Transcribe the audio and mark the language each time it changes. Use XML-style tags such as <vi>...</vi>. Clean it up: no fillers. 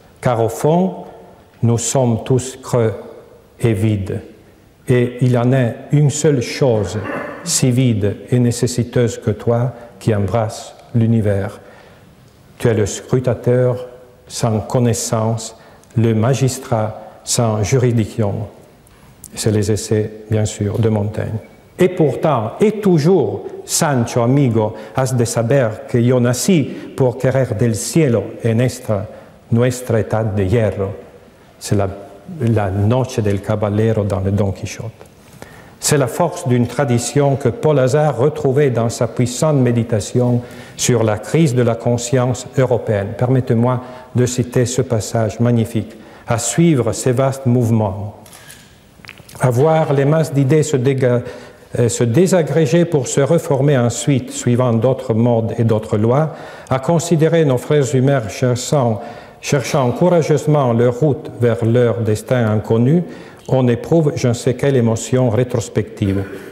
<fr>Car au fond, nous sommes tous creux et vides, et il en est une seule chose, si vide et nécessiteuse que toi, qui embrasse l'univers. Tu es le scrutateur sans connaissance, le magistrat sans juridiction. C'est les essais, bien sûr, de Montaigne. Et pourtant, et toujours,</fr> <es>Sancho, amigo, has de saber que yo nací por querer del cielo en esta nuestra edad de hierro.</es> <fr>C'est</fr> <es>la noche del caballero</es> <fr>dans le Don Quichotte. C'est la force d'une tradition que Paul Hazard retrouvait dans sa puissante méditation sur la crise de la conscience européenne. Permettez-moi de citer ce passage magnifique. À suivre ces vastes mouvements, à voir les masses d'idées se désagréger pour se reformer ensuite, suivant d'autres modes et d'autres lois, à considérer nos frères humains cherchant courageusement leur route vers leur destin inconnu, on éprouve je ne sais quelle émotion rétrospective.</fr>